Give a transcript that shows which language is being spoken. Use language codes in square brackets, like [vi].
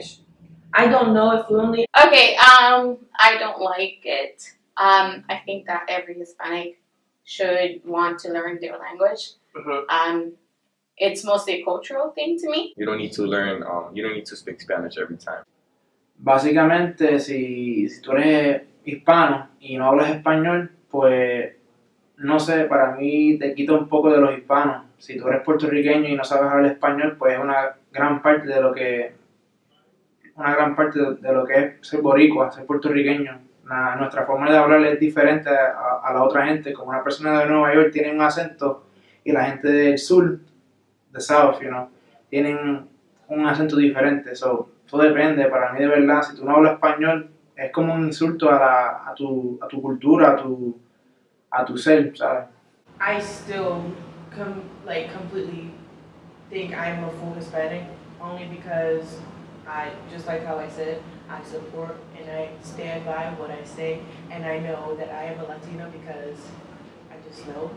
[en] Spanish. I don't know it fluently. Okay, I don't like it. I think that every Hispanic should want to learn their language. Mm-hmm. It's mostly a cultural thing to me. You don't need to learn, you don't need to speak Spanish every time. [es] Básicamente, si tú eres hispano y no hablas español, pues, no sé, para mí te quita un poco de los hispanos. Si tú eres puertorriqueño y no sabes hablar español, pues es una gran parte de lo que es ser boricua, ser puertorriqueño. Nuestra forma de hablar es diferente a la otra gente. Como una persona de Nueva York tiene un acento y la gente del sur, [en] the south, you know, [es] tienen un acento diferente, so... Todo depende, para mí de verdad, si tú no hablas español, es como un insulto a tu cultura, a tu ser, ¿sabes? [en] I still completely think I'm a full Hispanic, only because I, just like how I said, I support and I stand by what I say, and I know that I am a Latino because I just know.